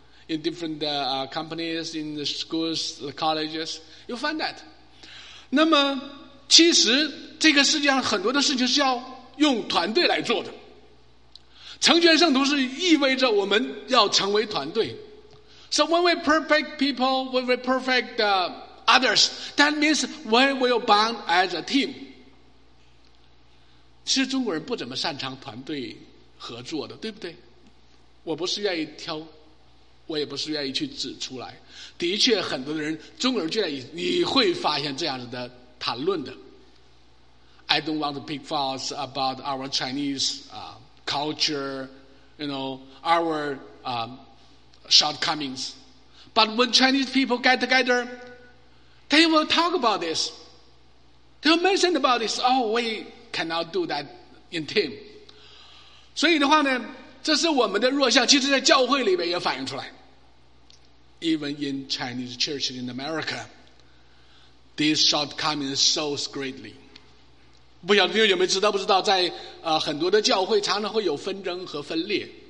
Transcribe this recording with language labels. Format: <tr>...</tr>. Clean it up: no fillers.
<en>In different companies, in the schools, the colleges, you find that.</en> <zh>那么其实这个世界上很多的事情是要用团队来做的。成全圣徒是意味着我们要成为团队。</zh> <en>So when we perfect people, when we perfect others, that means we will bond as a team.</en> <zh>其实中国人不怎么擅长团队合作的，对不对？我不是愿意挑，我也不是愿意去指出来。的确，很多的人，中国人就愿意，你会发现这样子的谈论的。</zh> <en>I don't want to pick faults about our Chinese culture, you know, our shortcomings. But when Chinese people get together, they will talk about this. They will mention about this. Oh, we cannot do that in team.</en> <zh>所以的话呢，这是我们的弱项，其实在教会里面也反映出来。</zh> <en>Even in Chinese church in America, this shortcoming shows greatly.</en> <zh>不晓得有没有知道不知道在、很多的教会常常会有纷争和分裂。</zh>